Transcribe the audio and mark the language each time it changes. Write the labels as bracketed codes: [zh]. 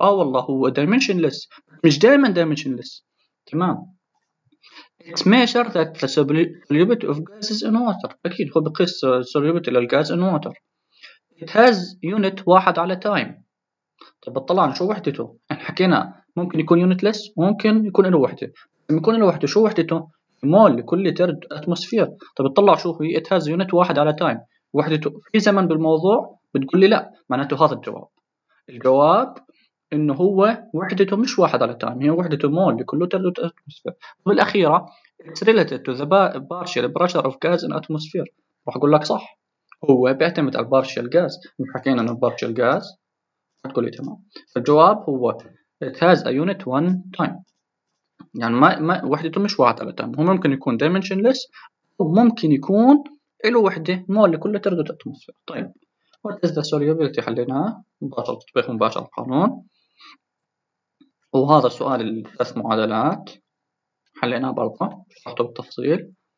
[ar] اه والله هو dimensionless، مش دائما dimensionless. تمام. [en] It's measured that the solubility of gases in water. [ar] اكيد هو بقيس solubility للغاز [en] in water. It has unit [ar] واحد على [en] time. [ar] طب طلعنا شو وحدته؟ يعني حكينا ممكن يكون يونتلس وممكن يكون له وحده. لما يكون له وحده شو وحدته؟ مول لكل لتر اتموسفير. طب اطلع شو هي؟ ات هاز يونت واحد على تايم، وحدته في زمن بالموضوع. بتقول لي لا، معناته هذا الجواب. الجواب انه هو وحدته مش واحد على تايم، هي وحدته مول لكل لتر اتموسفير. [en] وبالاخيره it's related to the partial pressure of gas in atmosphere. [ar] راح اقول لك صح، هو بيعتمد على بارشل غاز. حكينا انه بارشل غاز، هتقول لي تمام. فالجواب هو [en] It has a unit one time. [ar] يعني ما وحدته مش واحد على تايم. هو ممكن يكون dimensionless وممكن يكون له وحدة مول لكل لتر اتموسفير. طيب [en] what is the solubility؟ [ar] حليناها مباشرة، تطبيق مباشر القانون. وهذا سؤال الثلاث معادلات حليناها برضه، شرحته بالتفصيل.